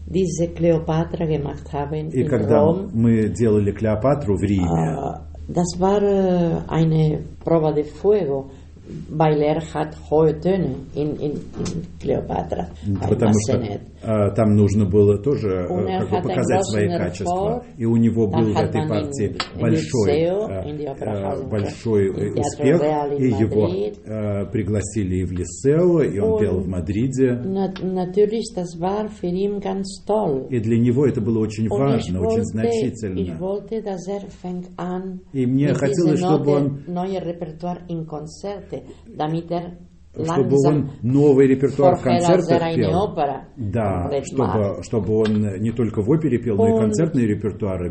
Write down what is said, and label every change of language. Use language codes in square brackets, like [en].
[ru] И когда мы делали Клеопатру в Риме, [de] das war eine Probe [es] de Fuego. [de] Байлер hat hohe Töne in Cleopatra. [ru] Потому что там нужно было тоже как бы показать свои качества. И у него был в этой партии большой успех. И его пригласили в Лицео, и он пел в Мадриде. [de] Natürlich, das war für ihn ganz toll. [ru] И для него это было очень важно, очень значительно. [de] Ich wollte, dass er fängt an, [ru] и мне хотелось, чтобы он... [de] Neue Repertoire in Konzerte. Damit er [ru] чтобы он новый репертуар концертов пел. Да, чтобы он не только в опере пел, но и концертные репертуары